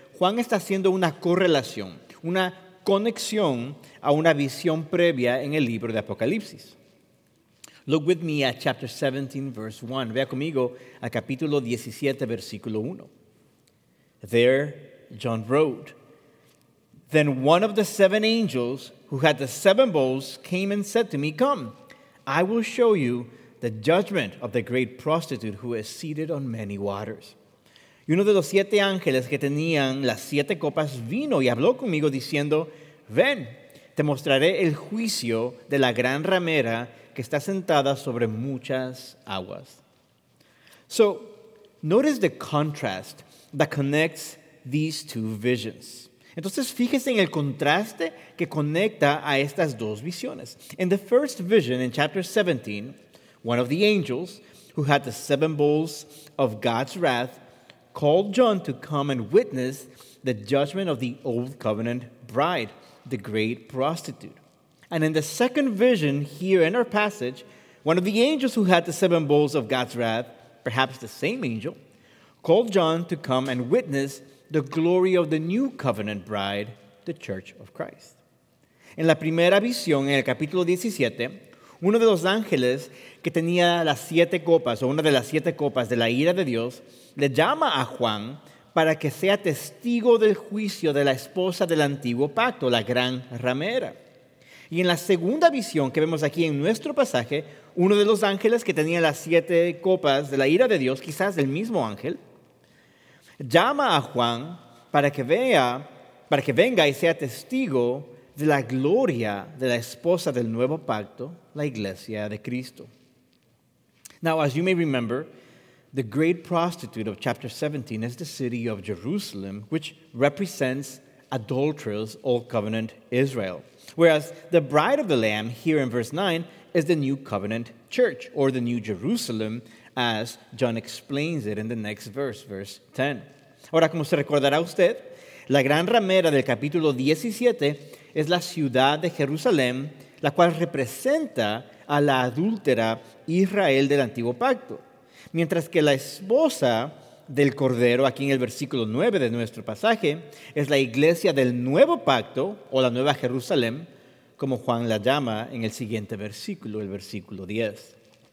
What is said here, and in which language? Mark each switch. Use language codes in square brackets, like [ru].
[es] Juan está haciendo una correlación, una conexión a una visión previa en el libro de Apocalipsis. [en] Look with me at chapter 17, verse 1. [es] Vea conmigo a capítulo 17, versículo 1. [en] There, John wrote, "Then one of the seven angels who had the seven bowls came and said to me, 'Come, I will show you the judgment of the great prostitute who is seated on many waters.'" [es] Y uno de los siete ángeles que tenían las siete copas vino y habló conmigo diciendo, "Ven, te mostraré el juicio de la gran ramera que está sentada sobre muchas aguas." [en] So, notice the contrast that connects these two visions. [es] Entonces, fíjese en el contraste que conecta a estas dos visiones. [en] In the first vision, in chapter 17, one of the angels, who had the seven bowls of God's wrath, called John to come and witness the judgment of the old covenant bride, the great prostitute. And in the second vision here in our passage, one of the angels who had the seven bowls of God's wrath, perhaps the same angel, called John to come and witness the glory of the new covenant bride, the church of Christ. [es] En la primera visión, en el capítulo 17, uno de los ángeles que tenía las siete copas, o una de las siete copas de la ira de Dios, le llama a Juan para que sea testigo del juicio de la esposa del antiguo pacto, la gran ramera. Y en la segunda visión que vemos aquí en nuestro pasaje, uno de los ángeles que tenía las siete copas de la ira de Dios, quizás el mismo ángel, llama a Juan para que venga y sea testigo de la gloria de la esposa del nuevo pacto, la iglesia de Cristo. [en] Now, as you may remember, the great prostitute of chapter 17 is the city of Jerusalem, which represents adulterous old covenant Israel. Whereas the bride of the Lamb, here in verse 9, is the new covenant church, or the new Jerusalem, as John explains it in the next verse, verse 10. [es] Ahora, como se recordará usted, la gran ramera del capítulo 17 es la ciudad de Jerusalén, la cual representa a la adúltera Israel del antiguo pacto. Mientras que la esposa del Cordero, aquí en el versículo 9 de nuestro pasaje, es la iglesia del nuevo pacto, o la nueva Jerusalén, como Juan la llama en el siguiente versículo, el versículo 10.